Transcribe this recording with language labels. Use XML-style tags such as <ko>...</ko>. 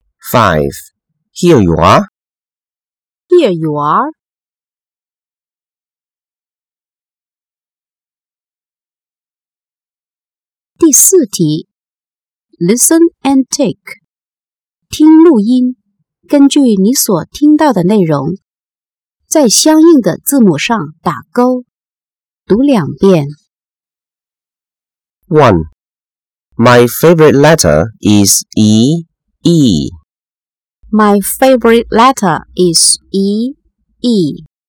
<en>5. Here you are. Here you are.</en> <zh>第4题,</zh> <en>listen and take.</en> <zh>听录音，根据你所听到的内容，在相应的字母上打勾，读两遍。 1.</zh> <en>My favorite letter is E, E. My favorite letter is E, E.</en>